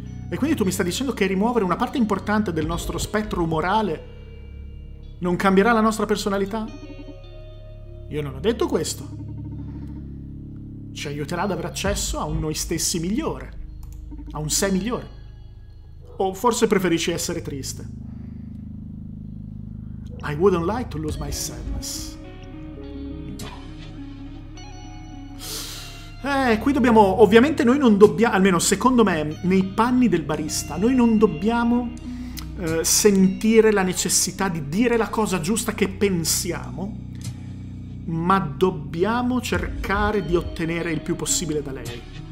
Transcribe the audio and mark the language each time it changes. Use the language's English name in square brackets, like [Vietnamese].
[Italian] E quindi tu mi stai dicendo che rimuovere una parte importante del nostro spettro umorale non cambierà la nostra personalità? Io non ho detto questo. Ci aiuterà ad avere accesso a un noi stessi migliore, a un sé migliore. O forse preferisci essere triste. [English] I wouldn't like to lose my sadness. [Italian] Qui dobbiamo... Ovviamente noi non dobbiamo... Almeno secondo me, nei panni del barista, noi non dobbiamo sentire la necessità di dire la cosa giusta che pensiamo, ma dobbiamo cercare di ottenere il più possibile da lei.